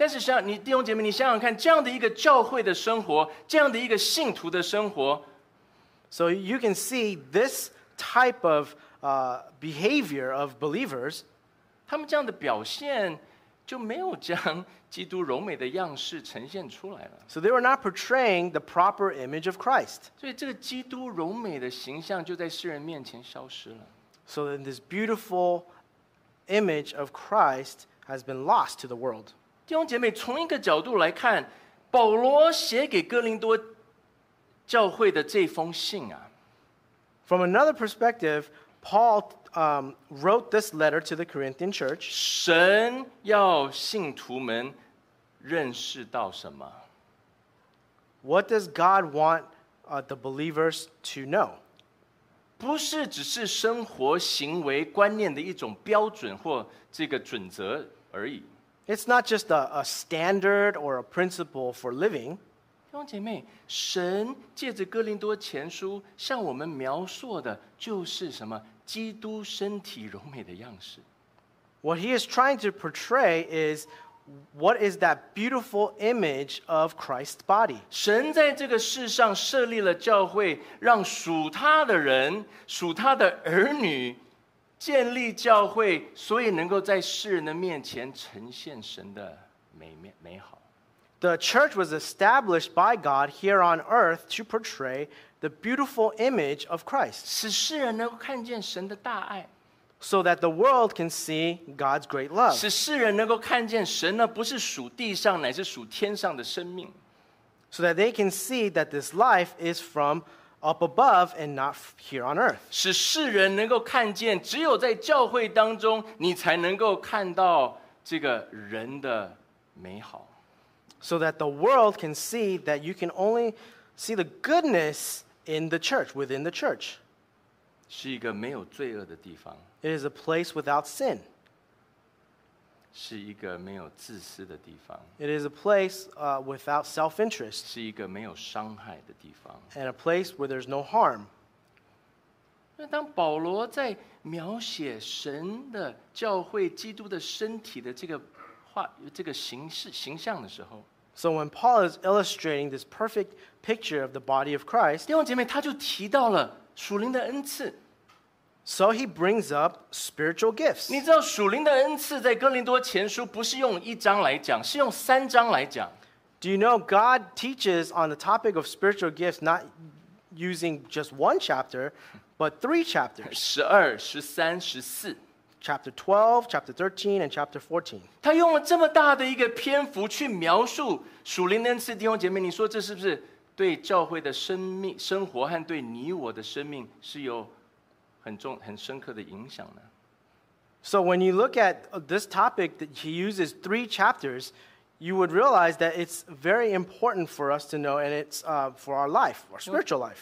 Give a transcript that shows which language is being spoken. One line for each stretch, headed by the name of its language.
Chinese: 但是像你弟兄姐妹，你想想看，这样的一个教会的生活，这样的一个信徒的生活。
English: So you can see this type of behavior of believers.
Chinese: 他们这样的表现就没有将基督荣美的样式呈现出来了。
English: So they were not portraying the proper image of Christ.
Chinese: 所以这个基督荣美的形象就在世人面前消失了。
English: So then this beautiful image of Christ. Has been lost to the world.
Chinese: 弟兄姐妹，从一个角度来看，保罗写给哥林多教会的这封信啊。
English: From another perspective, Paul wrote this letter to the Corinthian church.
Chinese: 神要信徒们认识到什么？
English: What does God want the believers to know?
Chinese: 不是只是生活行为观念的一种标准或这个准则而已。
English: It's not just a standard or a principle for living.
Chinese: 弟兄姐妹，神借着哥林多前书向我们描述的就是什么？基督身体柔美的样式。
English: What he is trying to portray is what is that beautiful image of Christ's body.
Chinese: 神在这个世上设立了教会，让属他的人，属他的儿女建立教会，所以能够在世人的面前呈现神的美好。
English: The church was established by God here on earth to portray the beautiful image of Christ.
Chinese: 使世人能够看见神的大爱。
English: So that the world can see God's great love.
Chinese: 使世人能够看见神呢，不是属地上，乃是属天上的生命。
English: So that they can see that this life is from up above and not here on earth.
Chinese: 使世人能够看见，只有在教会当中，你才能够看到这个人的美好。
English: So that the world can see that you can only see the goodness in the church, within the church.
Chinese: 是一个没有罪恶的地方。
English: It is a place without sin.
Chinese: 是一个没有自私的地方。
English: It is a place without self-interest.
Chinese: 是一个没有伤害的地方。
English: And a place where there's no harm.
Chinese: 那当保罗在描写神的教会基督的身体的这个形象的时候，
English: So when Paul is illustrating this perfect picture of the body of Christ,
Chinese: 弟兄姐妹，他就提到了属灵的恩赐。
English: So he brings up spiritual gifts.
Chinese: 你知道属灵的恩赐在哥林多前书不是用一章来讲，是用三章来讲。
English: Do you know God teaches on the topic of spiritual gifts not using just one chapter, but three chapters?
Chinese: 十二、十三、十四。
English: Chapter 12, chapter 13, and chapter 14.
Chinese: 他用了这么大的一个篇幅去描述属灵的恩赐，弟兄姐妹，你说这是不是对教会的生活和对你我的生命是有很深刻的影响呢？
English: So when you look at this topic that he uses three chapters, you would realize that it's very important for us to know, and it's for our life, our spiritual life.